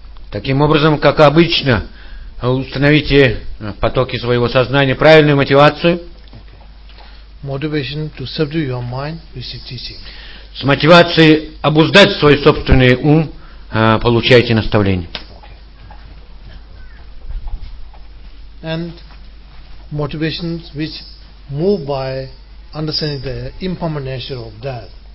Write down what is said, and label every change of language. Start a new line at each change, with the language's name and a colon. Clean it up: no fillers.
Russian: Таким образом, как обычно, установите потоки своего сознания, правильную мотивацию.
English: Motivation to subdue your mind, which is teaching.
Russian: С мотивацией обуздать свой собственный ум получаете наставление.
English: And motivations which move by understanding the impermanent nature of death.